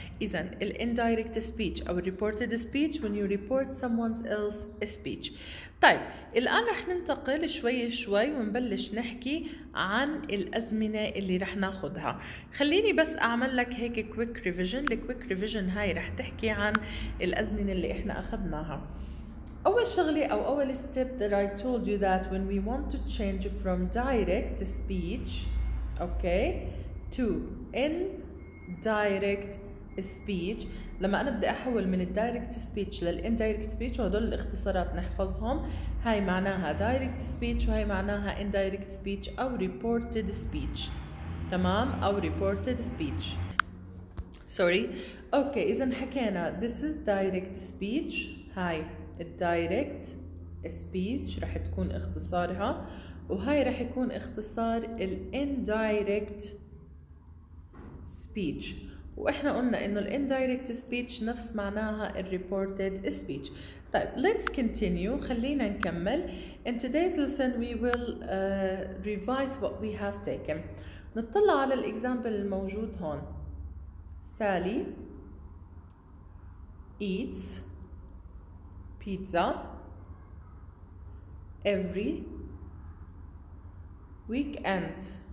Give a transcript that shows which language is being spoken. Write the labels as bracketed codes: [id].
[ar] إذا ال [en] indirect speech أو reported speech when you report someone's else speech. [ar] طيب الآن رح ننتقل شوي شوي ونبلش نحكي عن الأزمنة اللي رح ناخدها. خليني بس أعمل لك هيك quick revision. [en] The quick revision [ar] هاي رح تحكي عن الأزمنة اللي إحنا أخذناها. أول شغلة أو أول [en] step that I told you that when we want to change from direct speech, okay, to indirect speech, [ar] لما أنا بدي أحول من [en] direct speech لل indirect speech, [ar] وهدول الاختصارات نحفظهم, هاي معناها [en] direct speech [ar] وهاي معناها [en] indirect speech أو reported speech. [ar] تمام, أو reported speech. [en] Sorry. Okay, [ar] إذن حكينا [en] this is direct speech. [ar] هاي الدايركت سبيتش رح تكون اختصارها, وهي رح يكون اختصار الاندايركت سبيتش. واحنا قلنا انه الاندايركت سبيتش نفس معناها الريبورتد سبيتش. طيب [en] let's continue, [ar] خلينا نكمل. [en] In today's lesson we will revise what we have taken. [ar] نطلع على الاكزامبل الموجود هون. [en] Sally eats pizza every weekend.